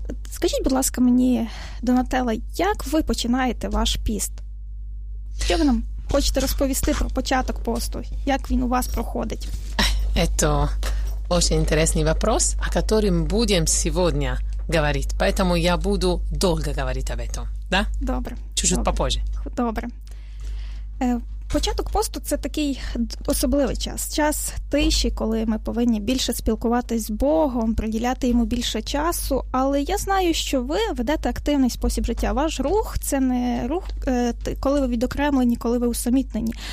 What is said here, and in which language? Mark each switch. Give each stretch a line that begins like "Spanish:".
Ukrainian: Скажіть, будь ласка, мені, Донателла, як ви починаєте ваш піст? Що ви нам хочете розповісти про початок посту? Як він у вас проходить? Це дуже цікавий питання, о якому будемо сьогодні говорити. Тому я буду довго говорити
Russian: об этом. Да?
Ukrainian: Добре.
Russian: Чуть-чуть попозже.
Ukrainian: Добре. Початок посту – це такий особливий час. Час тиші, коли ми повинні більше спілкуватись з Богом, приділяти йому більше часу. Але я знаю, що ви ведете активний спосіб життя. Ваш рух – це не рух, коли ви відокремлені, коли ви усамітнені.